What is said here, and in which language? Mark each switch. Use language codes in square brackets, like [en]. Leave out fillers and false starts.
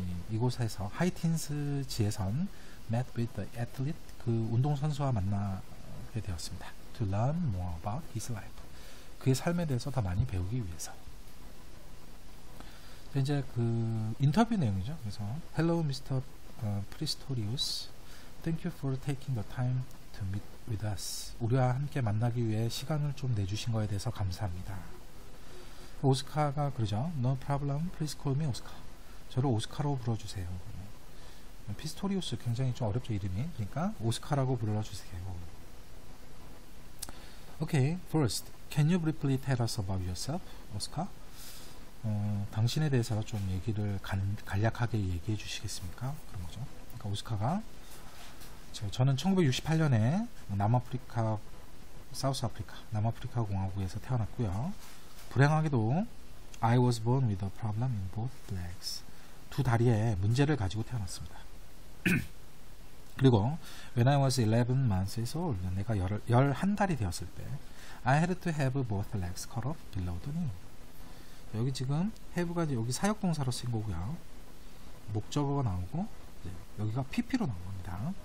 [ko] 이곳에서 High Teens지에선 [en] met with the athlete [ko] 그 운동선수와 만나게 되었습니다. [en] To learn more about his life [ko] 그의 삶에 대해서 더 많이 배우기 위해서. 이제 그 인터뷰 내용이죠. [en] 그래서 Hello Mr. Pristorius Thank you for taking the time to meet with us. [ko] 우리와 함께 만나기 위해 시간을 좀 내주신 거에 대해서 감사합니다. 오스카가 그러죠. [en] No problem. Please call me Oscar. [ko] 저를 오스카로 불러주세요. 피스토리우스 굉장히 좀 어렵죠. 이름이. 그러니까 오스카라고 불러주세요. [en] Okay. First, can you briefly tell us about yourself, Oscar? [ko] 당신에 대해서 좀 얘기를 간략하게 얘기해 주시겠습니까? 그런 거죠. 그러니까 오스카가 저는 1968년에 남아프리카, 사우스 아프리카, 남아프리카 공화국에서 태어났고요. [en] 불행하게도 I was born with a problem in both legs. [ko] 두 다리에 문제를 가지고 태어났습니다. [en] 그리고 when I was 11 months old, [ko] 내가 11달이 되었을 때 [en] I had to have both legs cut off below the knee. [ko] 여기 지금 have가 여기 사역동사로 쓰인 거고요. 목적어가 나오고 네, 여기가 PP로 나온 겁니다.